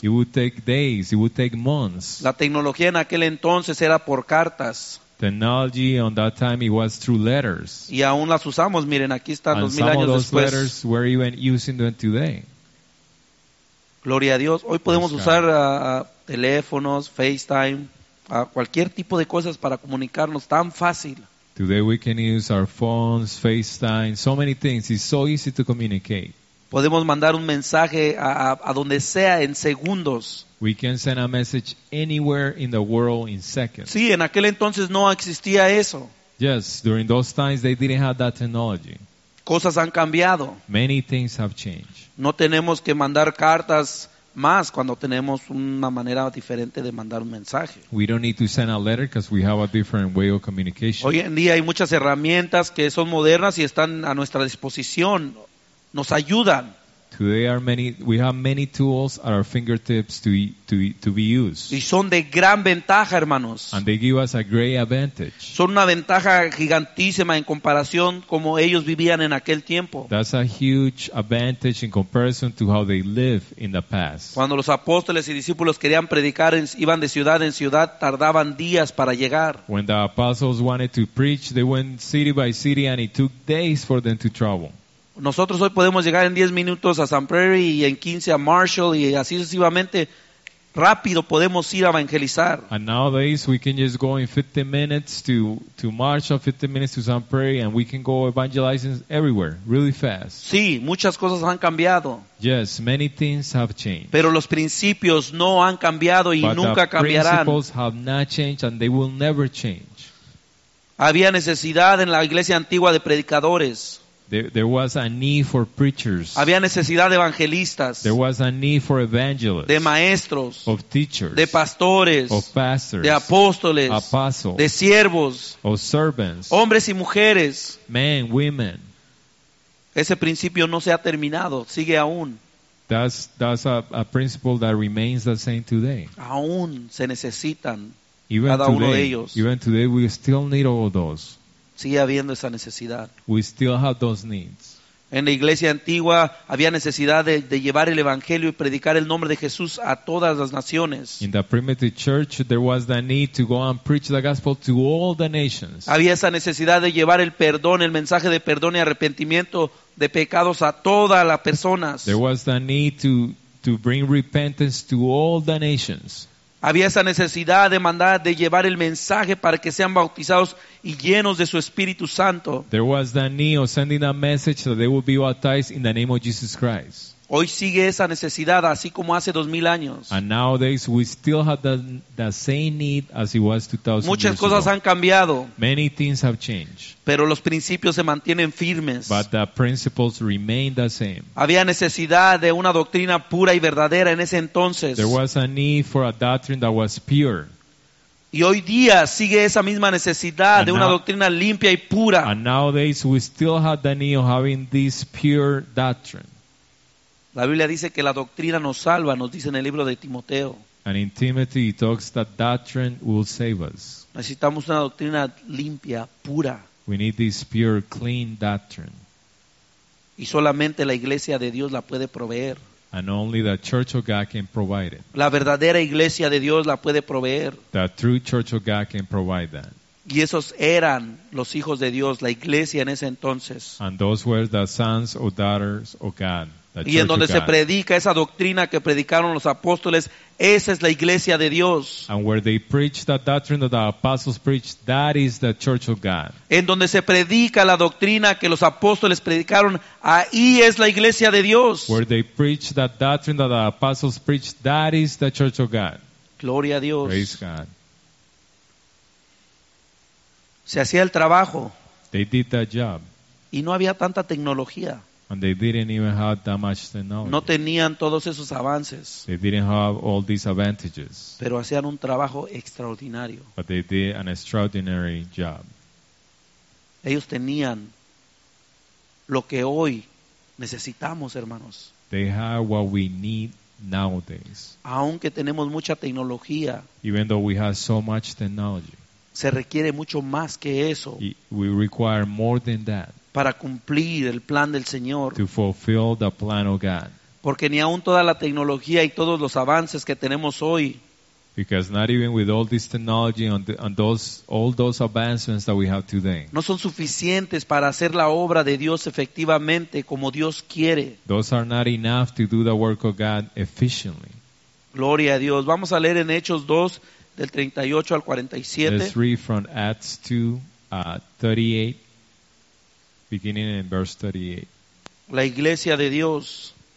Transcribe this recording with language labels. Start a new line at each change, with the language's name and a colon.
English: It would take days, it would take months.
Spanish: La tecnología en aquel entonces era por cartas.
English: Technology on that time it was through letters.
Spanish: Y aún las usamos, miren, aquí están 2000 años después.
English: And some of those letters we're even using them today.
Spanish: Gloria a Dios. Hoy podemos usar teléfonos, FaceTime, cualquier tipo de cosas para comunicarnos tan fácil.
English: Today we can use our phones, FaceTime, so many things. It's so easy to communicate.
Spanish: Podemos mandar un mensaje a donde sea en segundos.
English: We can send a message anywhere in the world in seconds.
Spanish: Sí, en aquel entonces no existía eso.
English: Yes, during those times they didn't have that technology.
Spanish: Cosas han cambiado.
English: Many things have changed.
Spanish: No tenemos que mandar cartas más cuando tenemos una manera diferente de mandar un mensaje.
English: We don't need to send a letter because we have a different way of communication.
Spanish: Hoy en día hay muchas herramientas que son modernas y están a nuestra disposición. Nos ayudan.
English: Today are many, we have many tools at our fingertips to be used.
Spanish: Y son de gran ventaja, hermanos.
English: And they give us a great advantage.
Spanish: Son una ventaja gigantísima en comparación como ellos vivían en aquel tiempo.
English: That's a huge advantage in comparison to how they lived in the past.
Spanish: Cuando los apóstoles y discípulos querían predicar, iban de ciudad en ciudad, tardaban días para llegar.
English: When the apostles wanted to preach, they went city by city and it took days for them to travel.
Spanish: Nosotros hoy podemos llegar en 10 minutos a San Prairie y en 15 a Marshall y así sucesivamente. Rápido podemos ir a evangelizar.
English: And nowadays we can just go in 15 minutes to Marshall, 15 minutes to San Prairie, and we can go evangelizing everywhere really fast.
Spanish: Sí, muchas cosas han cambiado.
English: Yes, many things have changed.
Spanish: Pero los principios no han cambiado y nunca cambiarán.
English: But the principles have not changed and they will never change.
Spanish: Había necesidad en la iglesia antigua de predicadores.
English: There was a need for preachers.
Spanish: Había necesidad de evangelistas.
English: There was a need for evangelists.
Spanish: De maestros.
English: Of teachers.
Spanish: De pastores.
English: Of pastors.
Spanish: De apóstoles.
English: Apostles.
Spanish: De siervos.
English: Of servants.
Spanish: Hombres y mujeres.
English: Men, women.
Spanish: Ese principio no se ha terminado. Sigue aún.
English: That's a principle that remains the same today.
Spanish: Aún se necesitan
English: even
Spanish: cada
English: today,
Spanish: uno de ellos.
English: Even today we still need all those.
Spanish: Sigue habiendo esa necesidad.
English: We still have those needs.
Spanish: En la iglesia antigua había necesidad de llevar el evangelio y predicar el nombre de Jesús a todas las naciones.
English: In the primitive church there was the need to go and preach the gospel to all the nations.
Spanish: Había esa necesidad de llevar el perdón, el mensaje de perdón y arrepentimiento de pecados a todas las personas.
English: There was the need to bring repentance to all the nations.
Spanish: Había esa necesidad de mandar, de llevar el mensaje para que sean bautizados y llenos de su Espíritu Santo.
English: There was the need of sending a message that they would be baptized in the name of Jesus Christ.
Spanish: Hoy sigue esa necesidad, así como hace 2000 años.
English: And nowadays we still have the same need as it was 2000 years.
Spanish: Muchas cosas han cambiado.
English: Many things have changed.
Spanish: Pero los principios se mantienen firmes.
English: But the principles remain the same.
Spanish: Había necesidad de una doctrina pura y verdadera en ese entonces.
English: There was a need for a doctrine that was pure.
Spanish: Y hoy día sigue esa misma necesidad de una doctrina limpia y pura.
English: And nowadays we still have the need of having this pure doctrine.
Spanish: La Biblia dice que la doctrina nos salva, nos dice en el libro de Timoteo.
English: And in Timothy it talks that doctrine will save us.
Spanish: Necesitamos una doctrina limpia, pura.
English: We need this pure, clean doctrine.
Spanish: Y solamente la iglesia de Dios la puede proveer.
English: And only the church of God can provide it.
Spanish: La verdadera iglesia de Dios la puede proveer.
English: The true church of God can provide that.
Spanish: Y esos eran los hijos de Dios, la iglesia en ese entonces.
English: And those were the sons or daughters of God.
Spanish: Y en donde se predica esa doctrina que predicaron los apóstoles, esa es la iglesia de Dios.
English: And where they preach that doctrine that the apostles preach, that is the church of God.
Spanish: En donde se predica la doctrina que los apóstoles predicaron, ahí es la iglesia de Dios.
English: Where they preach that doctrine that the apostles preach, that is the church of God.
Spanish: Gloria a Dios.
English: Praise God.
Spanish: Se hacía el trabajo.
English: They did that job.
Spanish: Y no había tanta tecnología.
English: And they didn't even have that much technology.
Spanish: No tenían todos esos avances.
English: They didn't have all these advantages.
Spanish: Pero hacían un trabajo extraordinario.
English: But they did an extraordinary job.
Spanish: Ellos tenían lo que hoy necesitamos, hermanos.
English: They had what we need nowadays.
Spanish: Aunque tenemos mucha tecnología.
English: Even though we have so much technology.
Spanish: Se requiere mucho más que eso.
English: We require more than that.
Spanish: Para cumplir el plan del Señor.
English: To fulfill the plan of God.
Spanish: Porque ni aun toda la tecnología y todos los avances que tenemos hoy.
English: Because not even with all this technology and all those advancements that we have today.
Spanish: No son suficientes para hacer la obra de Dios efectivamente como Dios quiere.
English: Those are not enough to do the work of God efficiently.
Spanish: Gloria a Dios. Vamos a leer en Hechos 2 del 38 al 47.
English: Let's read from Acts 2:38. Beginning in verse 38.
Spanish: La iglesia de Dios.